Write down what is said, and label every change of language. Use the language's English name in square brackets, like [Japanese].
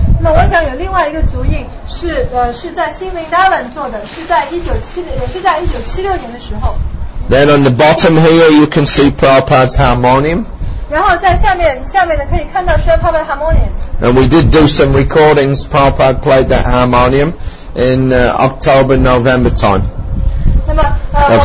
[Chinese] 那我想有另外一个足印是在新Vrindavan做的，是在1976年的时候。 [English] Then on the bottom here you can see Prabhupada's harmonium. [Chinese] 然后在下面呢可以看到薛帕帕的 harmonium. [English] And we did do some recordings. Prabhupada played that harmonium. In October, November time of